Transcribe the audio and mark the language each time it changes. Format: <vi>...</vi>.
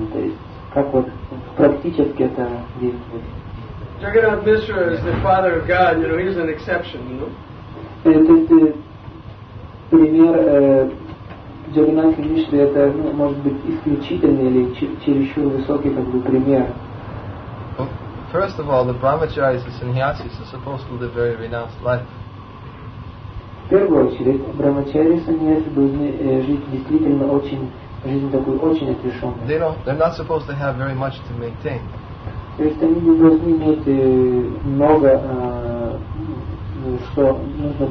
<ru>То есть как вот практически это действует?</ru> <en>Jagannath Mishra is the father of God, you know, he's an exception, you know?</en> <ru>Пример Jagannath Mishra, это, может быть, исключительный или чересчур высокий, как бы, пример.</ru> <en>Well, first of all, the brahmacharis and sannyasis are supposed to live a very renounced life.</en> <ru>В первую очередь, брахмачари и саньяси должны жить действительно очень, жизнь такую очень отрешенную.</ru> <en>They're not supposed to have very much to maintain.</en> <ru>То есть они не должны иметь много, что нужно было.</ru>